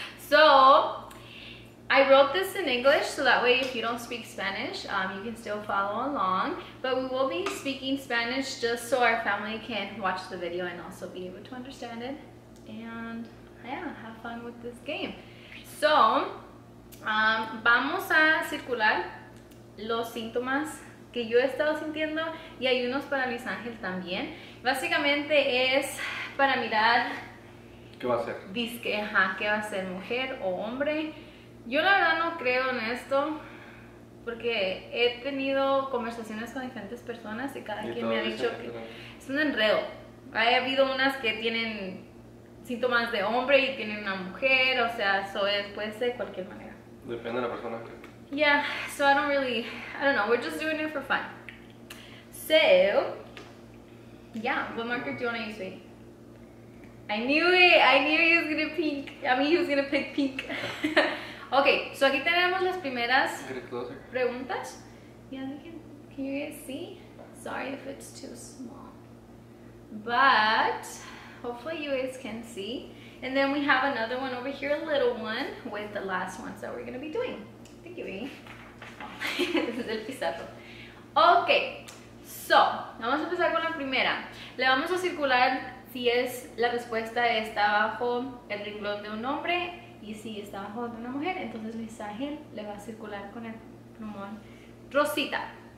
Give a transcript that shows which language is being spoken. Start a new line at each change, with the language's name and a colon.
English: So I wrote this in English so that way if you don't speak Spanish, you can still follow along. But we will be speaking Spanish just so our family can watch the video and also be able to understand it. And yeah, have fun with this game.
Spanish: So, vamos a circular los síntomas que yo he estado sintiendo y hay unos para Luis Ángel también. Básicamente es para mirar... ¿Qué va a ser? Dizque, ajá, ¿qué va a ser? ¿Mujer o hombre? Yo la verdad no creo en esto porque he tenido conversaciones con diferentes personas y cada quien me ha dicho que... Es un enredo. Ha habido unas que tienen... síntomas de hombre y tienen una mujer, o sea, eso es, puede ser de cualquier manera. Depende de la persona.
English: Yeah, so I don't really, I don't know, we're just doing it for fun. So, yeah, what marker do you want to use, babe? I knew he was gonna pink. I mean, he was gonna pick pink.
Spanish: Okay, so aquí tenemos las primeras preguntas.
English: Yeah, can you guys see? Sorry if it's too small. But... hopefully you guys can see. And then we have another one over here, a little one, with the last ones that we're gonna be doing. Thank you,
Spanish: Amy. Es el pizarro. Okay, so, vamos a empezar con la primera. Le vamos a circular si es la respuesta está bajo el renglón de un hombre y si está bajo de una mujer. Entonces Luis Ángel le va a circular con el plumón rosita.